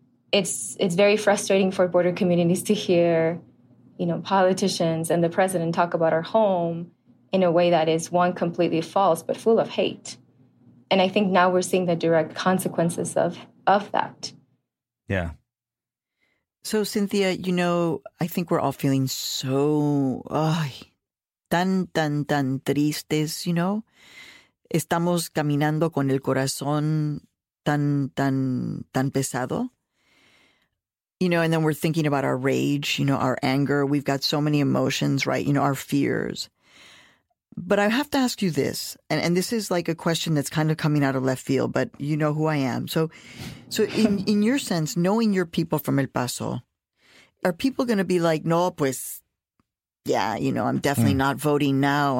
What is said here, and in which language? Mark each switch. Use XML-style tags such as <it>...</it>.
<en>It's very frustrating for border communities to hear, you know, politicians and the president talk about our home in a way that is, one, completely false, but full of hate. And I think now we're seeing the direct consequences of that. Yeah. So, Cynthia, you know, I think we're all feeling so</en> <es>tan tristes,</es> <en>you know?</en> <es>Estamos caminando con el corazón tan pesado.</es> <en>You know, and then we're thinking about our rage, you know, our anger. We've got so many emotions, right? You know, our fears. But I have to ask you this, and this is like a question that's kind of coming out of left field, but you know who I am. So in your sense, knowing your people from El Paso, are people going to be like,</en> <es>no, pues,</es> <en>yeah, you know, I'm definitely not voting now.</en>